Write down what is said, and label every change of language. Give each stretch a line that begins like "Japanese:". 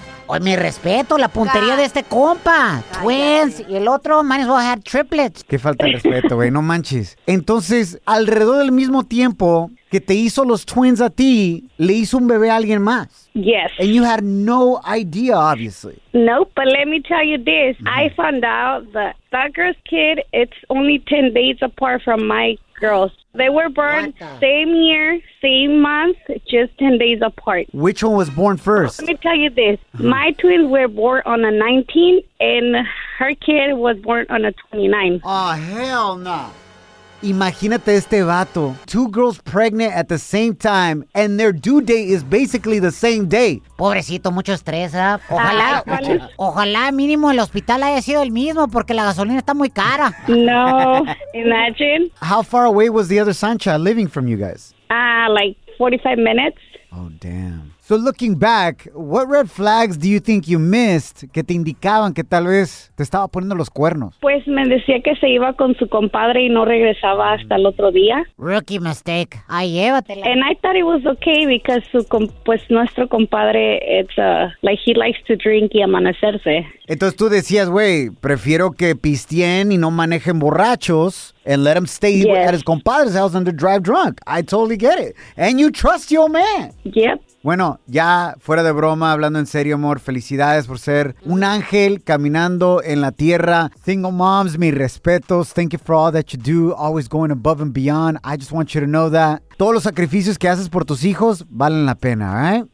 Spanish: Oh, mi respeto, la puntería de este compa.
English: Twins,
Spanish: y el otro,
English: might as well have triplets.
Spanish: Qué falta de respeto, güey, no manches. Entonces, alrededor del mismo tiempo que te hizo los twins a ti, le hizo un bebé a alguien más.
English: Yes. And you had no idea, obviously. No, but let me tell you this. Mm-hmm. I found out that girl's kid, it's only 10 days apart from my girls. They were born same year, same month, just 10 days apart. Which one was born first? Let me tell you this. Mm-hmm. My twins were born on the 19th, and her kid was born on the 29th. Oh, hell no. Nah.
Spanish: Imagínate este vato.
English: 2 girls pregnant at the same time, and their due date is basically the same day.
Spanish: Pobrecito, mucho estrés, ¿eh? Ojalá mínimo el hospital haya sido el mismo, porque la gasolina está muy cara.
English: No, imagine. How far away was the other Sancha living from you guys? 45 minutes. Oh, damn. So looking back, what red flags do you think you missed
Spanish: que te indicaban que tal vez te estaba poniendo los cuernos? Pues me decía que se iba con su compadre y no regresaba hasta el otro día.
English: Rookie mistake.
Spanish: Ay, llévatela.
English: And I thought it was okay because
Spanish: nuestro compadre,
English: he likes to drink
Spanish: y amanecerse. Entonces tú decías, güey, prefiero que pisteen y no manejen borrachos.
English: And let him stay at his compadre's house and drive drunk. I totally get it. And you trust your man. Yep.
Spanish: Bueno, ya fuera de broma, hablando en serio, amor, felicidades por ser un ángel caminando en la tierra.
English: Single moms,
Spanish: mis respetos.
English: Thank you for all that you do. Always going above and beyond. I just want you to know that.
Spanish: Todos los sacrificios que haces por tus hijos valen la pena, ¿eh?